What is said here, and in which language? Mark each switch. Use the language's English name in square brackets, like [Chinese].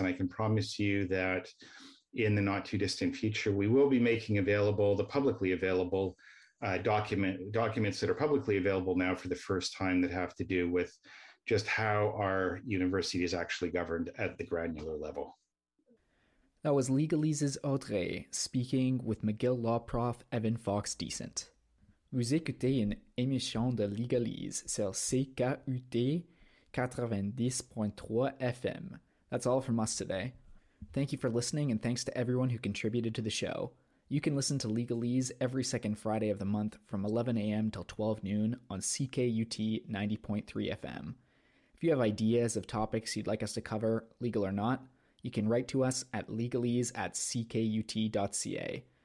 [English] And I can promise you that in the not too distant future, we will be making available the publicly available documents that are publicly available now for the first time that have to do with just how our university is actually governed at the granular level. That was Legalese's Audrey speaking with McGill Law Prof Evan Fox-Decent. [French] Vous écoutez une émission de Legalese sur CKUT 90.3 FM. [English] That's all from us today. Thank you for listening, and thanks to everyone who contributed to the show. You can listen to Legalese every second Friday of the month from 11 a.m. till 12 noon on CKUT 90.3 FM. If you have ideas of topics you'd like us to cover, legal or not, you can write to us at legalese@ckut.ca.